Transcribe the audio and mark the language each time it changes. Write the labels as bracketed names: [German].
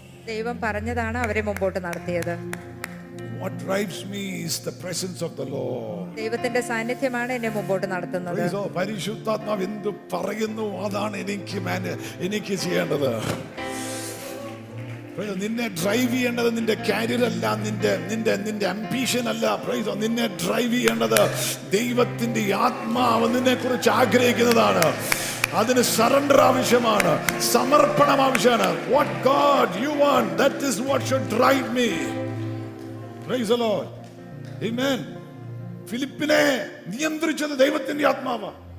[Malayalam] ദൈവം പറഞ്ഞതാണ് അവരെ മുമ്പോട്ട് നടത്തിയത് [English] What drives me is the presence of the Lord. [Malayalam] ദൈവത്തിന്റെ സാന്നിധ്യമാണ് എന്നെ മുമ്പോട്ട് നടത്തുന്നത്. ഈശോ പരിശുദ്ധാത്മാവ് എന്തു പറയുന്നു അതാണ് എനിക്ക് എനിക്ക് ചെയ്യേണ്ടത്. നിന്നെ ഡ്രൈവ് ചെയ്യേണ്ടത് നിന്റെ കരിയർ അല്ല നിന്റെ നിന്റെ നിന്റെ അംബീഷൻ അല്ല പ്രൈസോ നിന്നെ ഡ്രൈവ് ചെയ്യേണ്ടത് ദൈവത്തിന്റെ ആത്മാവ് നിന്നെ കുറിച്ച് ആഗ്രഹിക്കുന്നതാണ് അതിന് സറണ്ടർ ആവശ്യമാണ് സമർപ്പണം ആവശ്യമാണ് [English] what God you want that is what should drive me praise the lord [Malayalam] ആമേൻ ഫിലിപ്പിനെ നിയന്ത്രിച്ചത് ദൈവത്തിന്റെ ആത്മാവ്